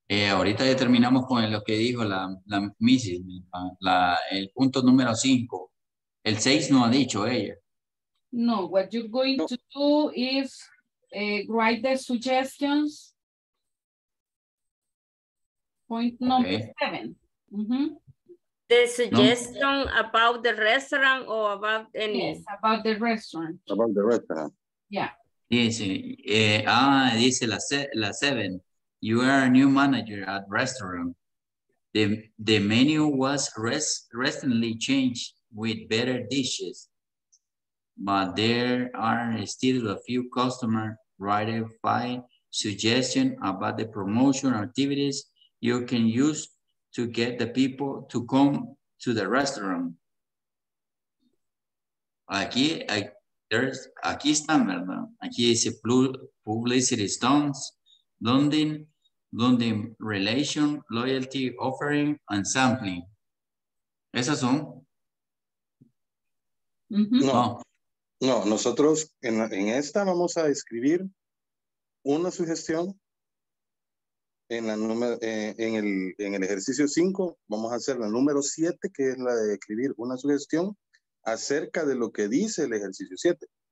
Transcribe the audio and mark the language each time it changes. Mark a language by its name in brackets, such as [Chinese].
[Spanish] Ahorita ya terminamos con lo que dijo la Mrs. El punto número 5. El 6 no ha dicho ella. [English] No, what you're going to do is write the suggestions. Point number 7. Mm-hmm. The suggestion about the restaurant or about any? Yes, about the restaurant. About the restaurant. Yeah. [Spanish] Dice la 7. [English] You are a new manager at restaurant. The menu was recently changed with better dishes, but there are still a few customer ratified suggestion about the promotion activities you can use to get the people to come to the restaurant. [Spanish] Aquí están, ¿verdad? Aquí dice [English] publicity stunts, London relation, loyalty, offering, and sampling. [Spanish] ¿Esas son? Mm-hmm. No, nosotros en esta vamos a escribir una sugestión En la número, en el ejercicio 5, vamos a hacer la número 7, que es la de escribir una sugestión acerca de lo que dice el ejercicio 7.